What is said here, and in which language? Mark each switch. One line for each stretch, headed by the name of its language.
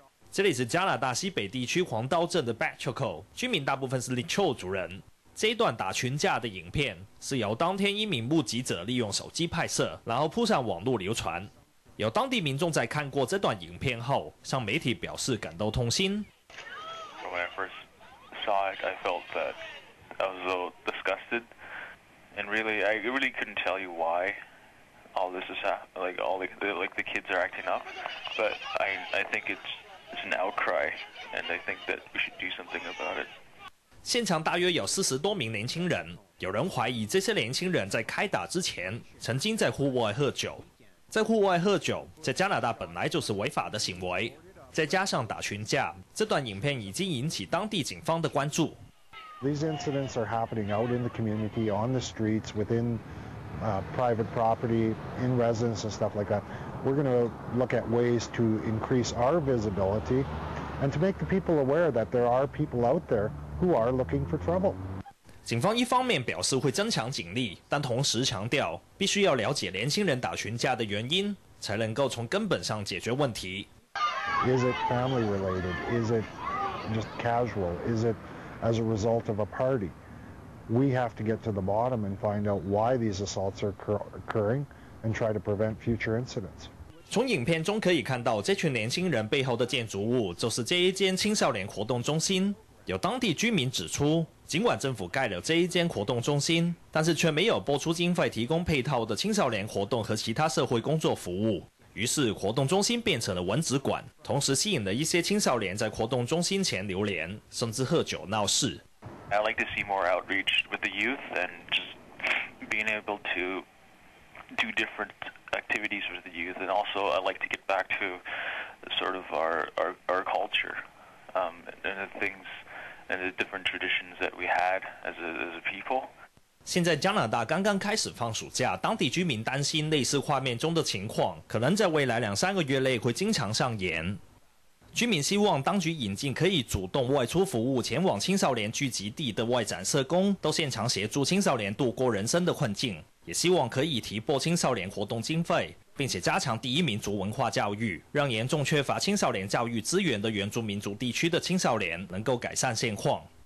Chinese: 这里是加拿大西北地区黄刀镇的 Batchoco， 居民大部分是 Lichol 族人。这一段打群架的影片是由当天一名目击者利用手机拍摄，然后铺上网络流传。有当地民众在看过这段影片后，向媒体表示感到痛心。
English: When I first saw it, I felt that I was a little disgusted, and really, I really couldn't tell you why all this is happening. Like all the kids are acting up, but I think it's an outcry, and I think that we should do something about it.
Chinese: 现场大约有40多名年轻人，有人怀疑这些年轻人在开打之前曾经在户外喝酒。在户外喝酒，在加拿大本来就是违法的行为，再加上打群架，这段影片已经引起当地警方的关注。
English: These incidents are happening out in the community, on the streets, within private property, in residences, stuff like that. We're going to look at ways to increase our visibility and to make the people aware that there are people out there who are looking for trouble.
Chinese: 警方一方面表示会增强警力，但同时强调必须要了解年轻人打群架的原因，才能够从根本上解决问题。
English: Is it family related? Is it just casual? Is it as a result of a party? We have to get to the bottom and find out why these assaults are occurring and try to prevent future incidents.
Chinese: 从影片中可以看到，这群年轻人背后的建筑物就是这一间青少年活动中心。有当地居民指出，尽管政府盖了这一间活动中心，但是却没有拨出经费提供配套的青少年活动和其他社会工作服务，于是活动中心变成了文职馆，同时吸引了一些青少年在活动中心前流连，甚至喝酒闹事。
English: I like to see more outreach with the youth and just being able to do different activities with the youth, and also I like to get back to sort of our culture. And the things and the different traditions that we had as a people.
Chinese: 现在加拿大刚刚开始放暑假，当地居民担心类似画面中的情况可能在未来2-3个月内会经常上演。居民希望当局引进可以主动外出服务、前往青少年聚集地的外展社工，到现场协助青少年度过人生的困境，也希望可以提拨青少年活动经费，并且加强第一民族文化教育，让严重缺乏青少年教育资源的原住民族地区的青少年能够改善现况。